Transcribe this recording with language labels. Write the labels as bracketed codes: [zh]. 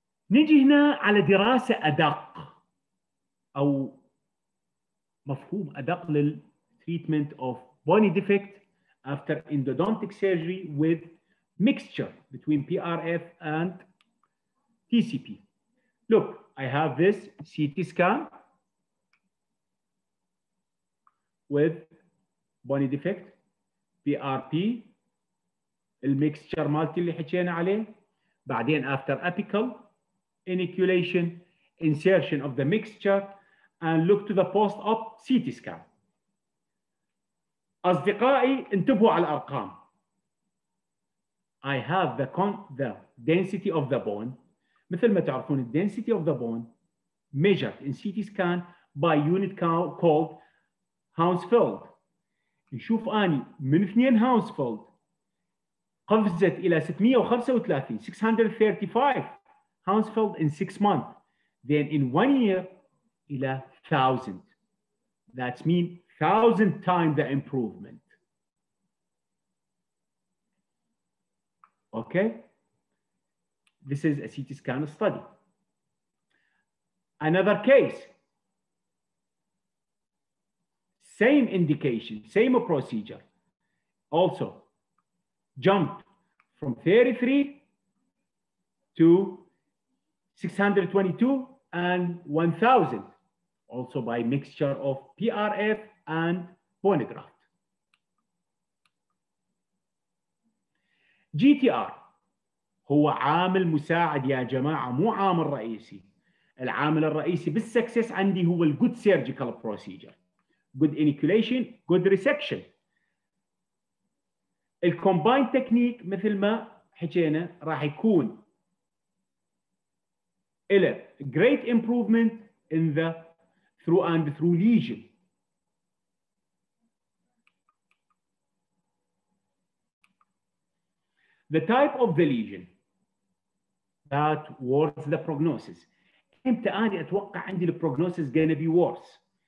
[ar] نيجي هنا على دراسة أدق أو مفهوم أدق لل [en] treatment of bony defect after endodontic surgery with mixture between PRF and TCP. Look, I have this CT scan with bony defect. [ar] PRP, المكسشر مالتي اللي حكينا عليه. [en] بعدين after apical inoculation, insertion of the mixture, and look to the post-op CT scan. [ar] أصدقائي انتبهوا على الأرقام. [en] I have the density of the bone. [ar] مثل ما تعرفون, [en] the density of the bone measured in CT scan by unit called Hounsfield. [ar] نشوف اني من 2 هاونسفولد قفزت الى 635 هاونسفولد [en] in 6 months, then in 1 year [ar] الى 1000. [en] That means 1000 times the improvement. Okay, this is a CT scan study. Another case, same indication, same procedure. Also, jumped from 33 to 622 and 1000, also by mixture of PRF and bone graft. [ar] GTR هو عامل مساعد يا جماعة, مو عامل رئيسي. العامل الرئيسي بالسكسس عندي هو الـ [en] good surgical procedure. Good inoculation, good resection. The combined technique, [ar] مثل ما حكينا, راح يكون إلى [en] great improvement in the through and through lesion. The type of the lesion that worse the prognosis. [ar] إمتى أنا أتوقع عندي [en] the prognosis gonna be worse?